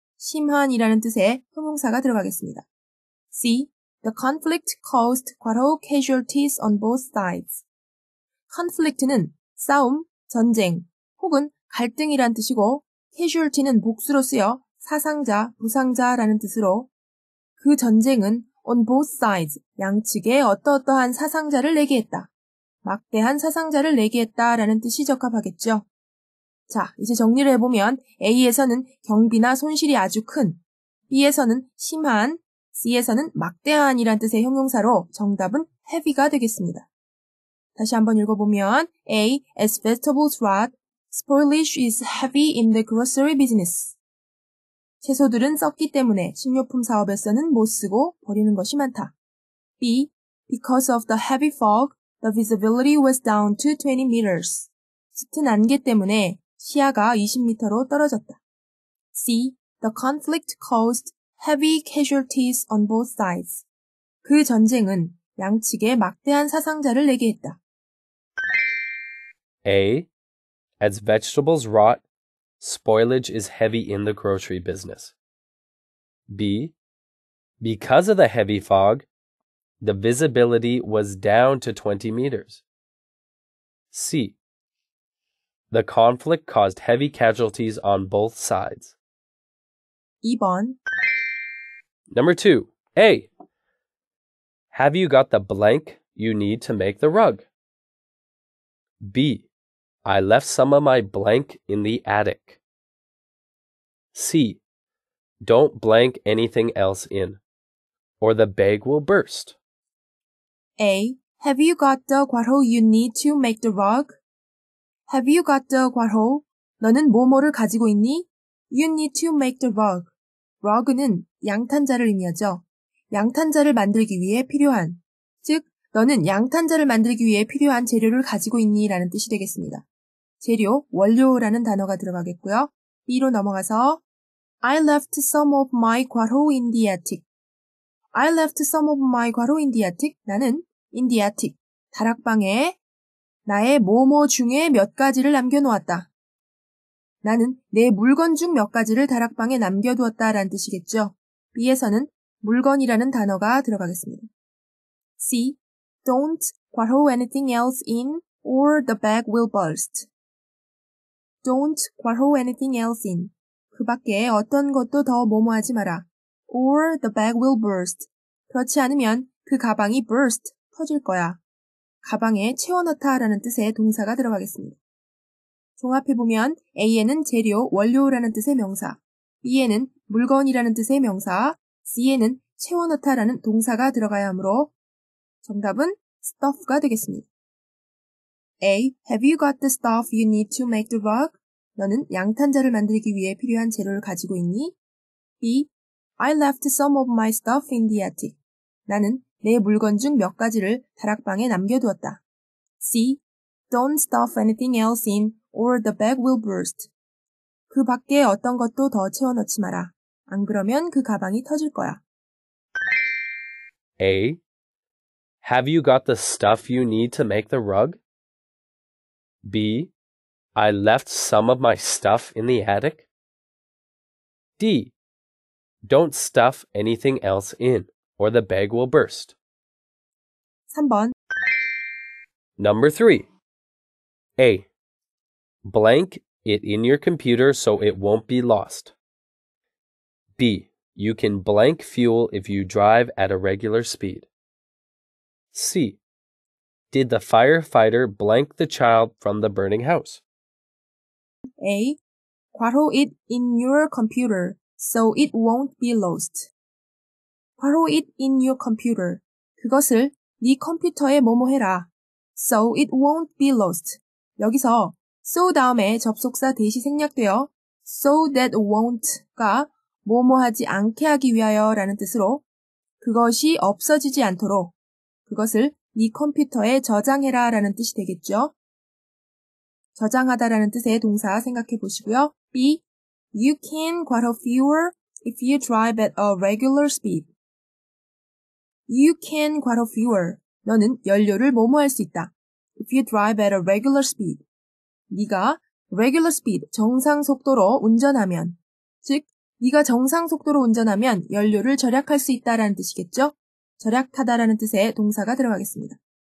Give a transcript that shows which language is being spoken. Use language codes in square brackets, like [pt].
[ko] 심한이라는 뜻의 형용사가 들어가겠습니다. C. [en] The conflict caused [ko] 과로 [en] casualties on both sides. [ko] Conflict는 싸움, 전쟁 혹은 갈등이란 뜻이고 casualty는 복수로 쓰여 사상자, 부상자라는 뜻으로 그 전쟁은 [en] on both sides, [ko] 양측에 어떠어떠한 사상자를 내게 했다. 막대한 사상자를 내게 했다라는 뜻이 적합하겠죠. 자, 이제 정리를 해보면 A에서는 경비나 손실이 아주 큰, B에서는 심한, C에서는 막대한이란 뜻의 형용사로 정답은 heavy가 되겠습니다. [en] 다시 한번 읽어보면 A. As vegetables rot, spoilage is heavy in the grocery business. [ko] 채소들은 썩기 때문에 식료품 사업에서는 못 쓰고 버리는 것이 많다. [en] B. Because of the heavy fog, the visibility was down to 20 meters. [ko] 짙은 안개 때문에 시야가 20m로 떨어졌다. [en] C. The conflict caused heavy casualties on both sides. [ko] 그 전쟁은 양측에 막대한 사상자를 내게 했다. [en] A. As vegetables rot, spoilage is heavy in the grocery business. B. Because of the heavy fog, the visibility was down to 20 meters. C. The conflict caused heavy casualties on both sides. [ko] 2번. [en] Number 2. A. Have you got the blank you need to make the rug? B. I left some of my blank in the attic. C. Don't blank anything else in, or the bag will burst. A. Have you got the [ko] 과로 [en] you need to make the rug? Have you got the [ko] 과로? 너는 뭐뭐를 가지고 있니? [en] You need to make the rug. [ko] Rug는 양탄자를 의미하죠. 양탄자를 만들기 위해 필요한, 즉 너는 양탄자를 만들기 위해 필요한 재료를 가지고 있니? 라는 뜻이 되겠습니다. 재료, 원료라는 단어가 들어가겠고요. B로 넘어가서 [en] I left some of my [ko] 과로 [en] in the attic. I left some of my [ko] 과로 [en] in the attic. [ko] 나는 [en] in the attic, [ko] 다락방에 나의 뭐뭐 중에 몇 가지를 남겨놓았다. 나는 내 물건 중 몇 가지를 다락방에 남겨두었다 라는 뜻이겠죠. B에서는 물건이라는 단어가 들어가겠습니다. [en] C. Don't [ko] 과로 [en] anything else in or the bag will burst. Don't [ko] 과로 [en] anything else in. [ko] 그 밖에 어떤 것도 더 뭐뭐하지 마라. [en] Or the bag will burst. [ko] 그렇지 않으면 그 가방이 burst, 터질 거야. 가방에 채워넣다 라는 뜻의 동사가 들어가겠습니다. 종합해보면 A에는 재료, 원료라는 뜻의 명사, B에는 물건이라는 뜻의 명사, C에는 채워넣다 라는 동사가 들어가야 하므로 정답은 stuff가 되겠습니다. [en] A. Have you got the stuff you need to make the rug? [ko] 너는 양탄자를 만들기 위해 필요한 재료를 가지고 있니? [en] B. I left some of my stuff in the attic. [ko] 나는 내 물건 중 몇 가지를 다락방에 남겨두었다. [en] C. Don't stuff anything else in or the bag will burst. [ko] 그 밖에 어떤 것도 더 채워넣지 마라. 안 그러면 그 가방이 터질 거야. [en] A. Have you got the stuff you need to make the rug? B. I left some of my stuff in the attic. D. Don't stuff anything else in, or the bag will burst. [ko] 3번. [en] Number 3. A. Blank it in your computer so it won't be lost. B. You can blank fuel if you drive at a regular speed. C. Did the firefighter blank the child from the burning house? A. [ko] 과로 [en] it in your computer so it won't be lost. [ko] 과로 [en] it in your computer. [ko] 그것을 네 컴퓨터에 뭐뭐 해라. [en] So it won't be lost. [ko] 여기서 so 다음에 접속사 대시 생략되어 [en] so that won't [ko] 가 뭐뭐 하지 않게 하기 위하여 라는 뜻으로 그것이 없어지지 않도록 그것을 네 컴퓨터에 저장해라 라는 뜻이 되겠죠. 저장하다라는 뜻의 동사 생각해 보시고요. [en] B. You can [ko] 괄호 [en] fewer if you drive at a regular speed. You can [ko] 괄호 [en] fewer. [ko] 너는 연료를 뭐뭐할 수 있다. [en] If you drive at a regular speed. [ko] 네가 regular speed, 정상 속도로 운전하면. 즉, 네가 정상 속도로 운전하면 연료를 절약할 수 있다라는 뜻이겠죠? 절약하다라는 뜻의 동사가 들어가겠습니다.